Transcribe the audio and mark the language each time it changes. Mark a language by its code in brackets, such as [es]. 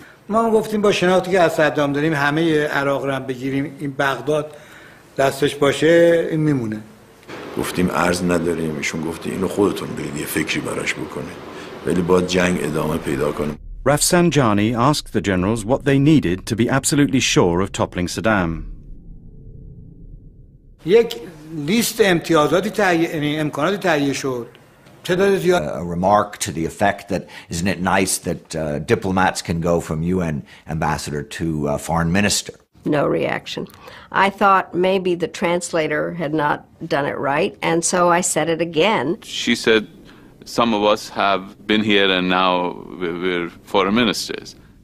[fa] ما گفتیم با شناختی که از صدام داریم همه عراق رو هم بگیریم این بغداد دستش باشه این میمونه گفتیم عرض نداریم ایشون گفت اینو خودتون برید یه فکری براش بکنه ولی باید جنگ ادامه پیدا کنه [en] Rafsanjani asked the generals what they needed to be absolutely sure of toppling Saddam [fa] یک لیست امتیازاتی تعیین امکاناتی تعیین شد [en] A remark to the effect that isn't it nice that diplomats can go from UN ambassador to foreign minister? No reaction. I thought maybe the translator had not done it right, and so I said it again. She said, some of us have been here and now we're foreign ministers.